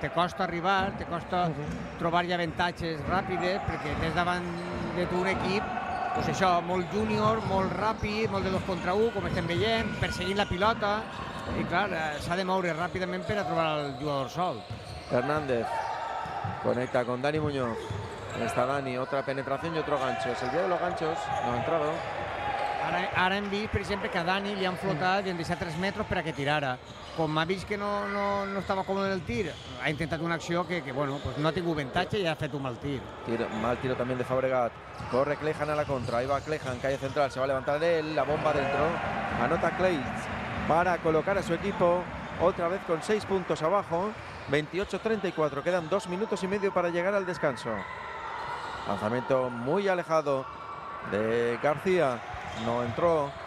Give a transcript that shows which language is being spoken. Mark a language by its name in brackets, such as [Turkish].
[Catalan] Te costa arribar, te costa trobar ja avantatges ràpides perquè tens davant de tu un equip, pues això, molt júnior, molt ràpid, molt de dos contra un, com estem veient, perseguint la pilota, i clar, s'ha de moure ràpidament per a trobar el jugador sol. [Spanish] Hernández conecta con Dani Muñoz. Está Dani, otra penetración y otro gancho. Es el día de los ganchos, no ha entrado. [Catalan] Ara hem vist, per exemple, que a Dani li han flotat i han deixat 3 metres per a que tirara. Com ha vist que no estava còmode en el tir, ha intentat una acció que bueno, pues no ha tingut avantatge i ha fet un mal tir. [Spanish] Mal tiro també de Fabregat. Corre Clayhan a la contra. Ahí va Clayhan, calle central. Se va a levantar d'ell, la bomba dentro. Anota Clay para colocar a su equipo otra vez con 6 puntos abajo. 28-34. Quedan 2 minutos y medio para llegar al descanso. Lanzamiento muy alejado de García. No entró.